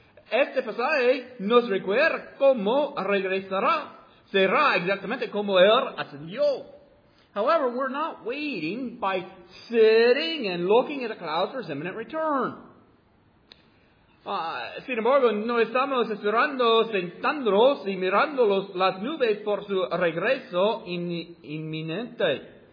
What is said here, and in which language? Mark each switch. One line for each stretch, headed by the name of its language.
Spanish: Este pasaje nos recuerda cómo regresará. Será exactamente como él ascendió.
English: However, we're not waiting by sitting and looking at the clouds for his imminent return.
Spanish: Sin embargo, no estamos esperando, sentándonos y mirando las nubes por su regreso inminente.